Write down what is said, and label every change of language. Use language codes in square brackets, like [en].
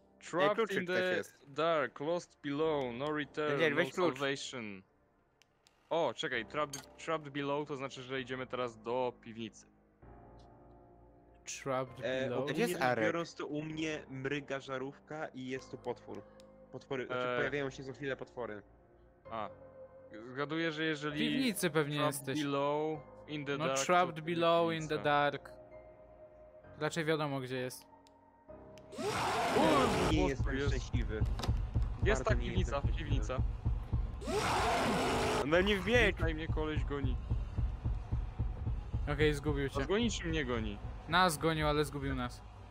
[en] Trapped in the dark, lost below, no return, no salvation. [pl] O, czekaj, [en] trapped below [pl] to znaczy, że idziemy teraz do piwnicy. [en] Trapped below. [pl] Gdzie jest Arek? Biorąc to u mnie mryga żarówka i jest tu potwór. Potwory, pojawiają się za chwilę potwory. A. Zgaduję, że jeżeli... W piwnicy pewnie jesteś. [en] Below in the no dark, trapped below in the dark. [pl] Raczej wiadomo gdzie jest. Nie jestem szczęśliwy. Jest ta piwnica. No nie wbiegł. Witaj mnie koleś goni. Okej, zgubił cię. A goni czy mnie goni? Nas gonił, ale zgubił nas.